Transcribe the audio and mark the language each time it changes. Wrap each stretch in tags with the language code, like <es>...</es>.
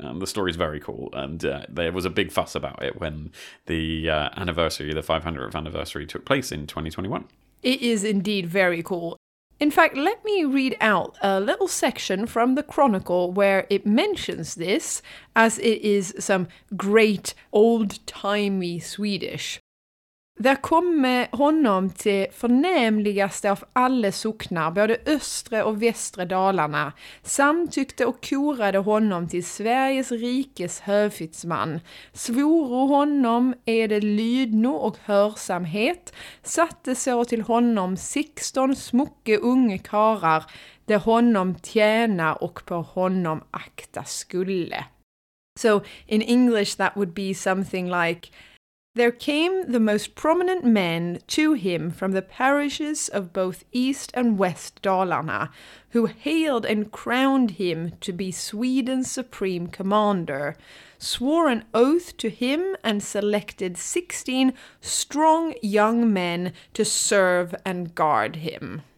<en>And the story is very cool, and there was a big fuss about it when the 500th anniversary took place in 2021. It is indeed very cool. In fact, let me read out a little section from the Chronicle where it mentions this, as it is some great old-timey Swedish.</en> <sv>Där kommer honom till förnämligaste av alla socknar, både östre och västre Dalarna, samtyckte och korade honom till Sveriges rikes hövitsman, svoro honom edel lydno och hörsamhet, satte så till honom 16 smucke unge karar, där honom tjäna och på honom akta skulle.</sv> <en>So in English that would be something like, there came the most prominent men to him from the parishes of both East and West Dalarna, who hailed and crowned him to be Sweden's supreme commander, swore an oath to him and selected 16 strong young men to serve and guard him.</en>